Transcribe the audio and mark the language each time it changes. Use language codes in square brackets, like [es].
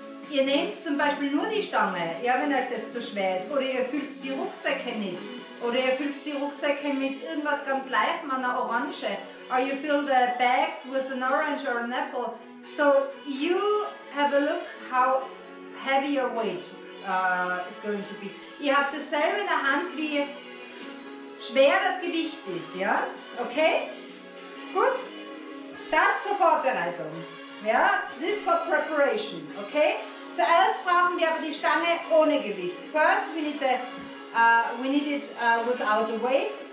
[de] Ihr nehmt zum Beispiel nur die Stange, ja, wenn euch das zu schwer ist. Oder ihr füllt die Rucksäcke nicht. Oder ihr füllt die Rucksäcke mit irgendwas ganz leichtem, einer Orange. [en] Or you fill the bags with an orange or an apple. So you have a look how heavier weight is going to be. [de] Ihr habt dasselbe in der Hand, wie schwer das Gewicht ist, ja? Okay? Gut? Das zur Vorbereitung. Ja? [en] This for preparation. Okay? [de] Zuerst brauchen wir aber die Stange ohne Gewicht. [en] First we need, without a weight.